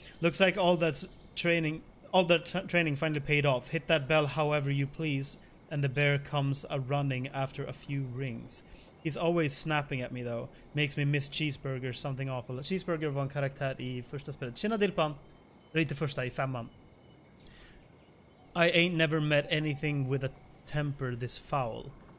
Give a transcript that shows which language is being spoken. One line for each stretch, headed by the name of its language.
English: Looks like all that training finally paid off. Hit that bell however you please and the bear comes a-running after a few rings. He's always snapping at me though. Makes me miss cheeseburger, something awful.
Swedish: Cheeseburger var en karaktär i första spelet. Tjena Dilpan! Det är inte första, i femman.
English: I ain't never met anything with a temper this foul.